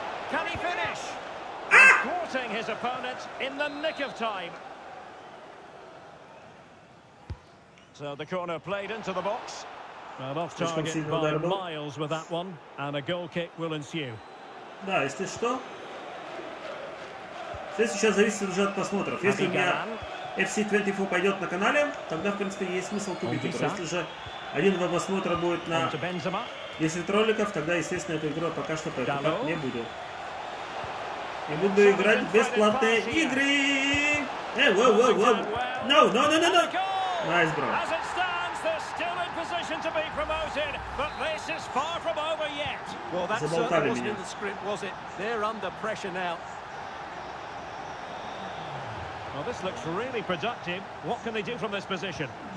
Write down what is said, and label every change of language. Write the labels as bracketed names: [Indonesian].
[English] Can he finish? Thwarting his opponent in the nick of time. So the corner played into the box. And off target by miles with that one. And a goal kick will ensue. [Russian] Да, если что. Все сейчас зависит уже от просмотров. Если у меня FC24 пойдет на канале, тогда, в принципе, есть смысл купить игру. Если же один-два просмотра будет на 10 роликов, тогда, естественно, эту игру пока что покупать не буду. И буду играть в бесплатные игры. [English] Эй, воу. No. Nice, bro. As it stands, they're still in position to be promoted, but this is far from over yet. Well, that certainly wasn't in the script, was it? They're under pressure now. Well, this looks really productive. What can they do from this position?